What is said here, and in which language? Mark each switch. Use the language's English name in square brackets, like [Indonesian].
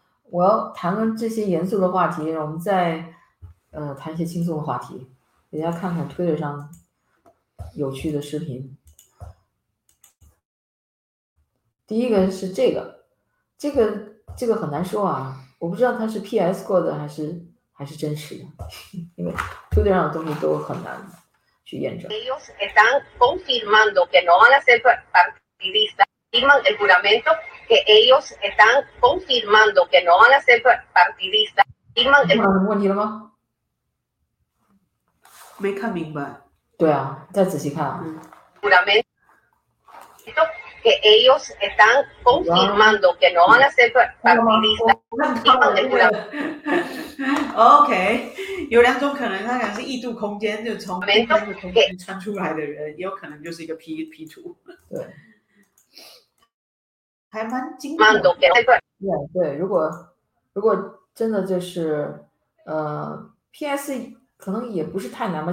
[Chinese] 我要谈论这些严肃的话题，我们再谈一些轻松的话题，大家看看推特上有趣的视频。第一个是这个很难说啊，我不知道它是 PS 过的还是真实的，因为推特上的东西都很难去验证。 [Spanish] Ellos están confirmando que no van a ser partidistas. Firman el juramento que ellos están confirmando que no van a ser partidistas. Firman el juramento. [Chinese] 问题了吗？没看明白。对啊，再仔细看啊。 [Spanish] Juramento. que ellos están confirmando que no van a ser partidistas. [Chinese] OK, 有两种可能，他可能是异度空间，就从异度空间穿出来的人，也有可能就是一个 P 图。对，还蛮精准的。 [English] Yeah, [Chinese] 对，如果真的就是，PS 可能也不是太难嘛。